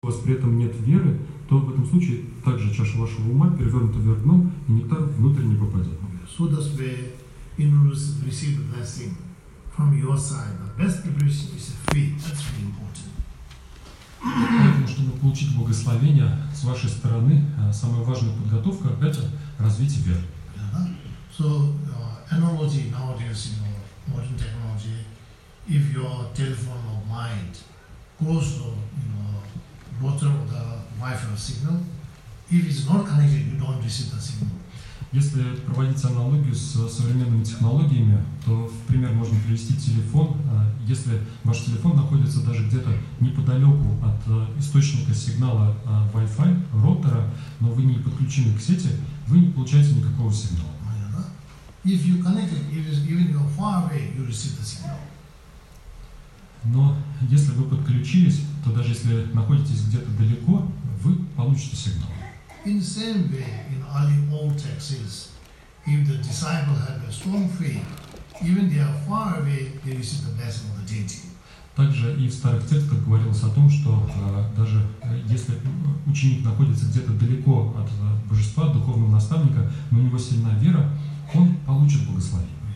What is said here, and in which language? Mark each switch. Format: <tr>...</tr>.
<ru>у вас при этом нет веры, то в этом случае также чаша вашего ума перевернута вверх дном, и нектар внутрь не попадет.</ru> <en>So does the universe receive the blessing from your side. The best preparation is faith. That's really important.</en> <ru>Поэтому, чтобы получить благословение с вашей стороны, самая важная подготовка – это развитие веры.</ru> <en>So, analogy nowadays, you know, modern technology, if your telephone or mind goes to, you know, water or the Wi-Fi signal, if it's not connected, you don't receive the signal.</en> <ru>Если проводить аналогию с современными технологиями, то в пример можно привести телефон. Если ваш телефон находится даже где-то неподалеку от источника сигнала Wi-Fi, роутера, но вы не подключены к сети, вы не получаете никакого сигнала.</ru> <en>If you connected, even you're far away, you receive the signal.</en> <ru>Но если вы подключились, то даже если находитесь где-то далеко, вы получите сигнал.</ru> <en>In the same way, in early old texts, if the disciple had a strong faith, even they are far away, they receive the blessing of the deity.</en> <ru>Также и в старых текстах говорилось о том, что даже если ученик находится где-то далеко от божества, духовного наставника, но у него сильна вера, он получит благословение.</ru>